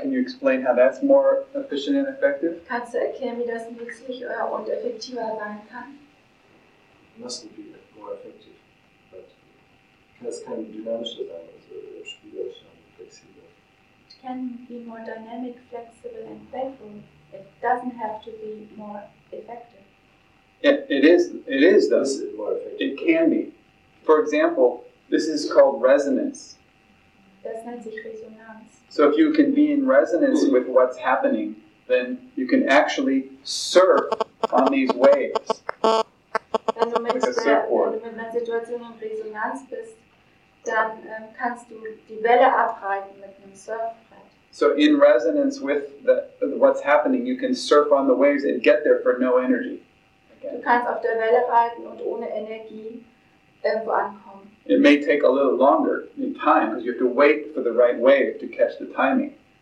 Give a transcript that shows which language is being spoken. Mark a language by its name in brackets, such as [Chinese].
[English] Can you explain how that's more efficient and effective? [German] Kannst du erklären, wie das nützlich und effektiver sein kann? [English] It mustn't be more effective. [German] Das kann dynamischer sein, also spielerischer und flexibler. [English] Can be more dynamic, flexible and playful. It doesn't have to be more effective. It is more effective. It can be. For example, this is called resonance. [German] Das nennt sich Resonanz. [English] So if you can be in resonance with what's happening, then you can actually surf on these waves. [German] Also wenn man Situation in Resonanz bist, dann kannst du die Welle abreiten mit einem Surfbrett. [English] So in resonance with what's happening, you can surf on the waves and get there for no energy. Again. [German] Du kannst auf der Welle reiten und ohne Energie irgendwo ankommen. [English] It may take a little longer in time, because you have to wait for the right wave to catch the timing.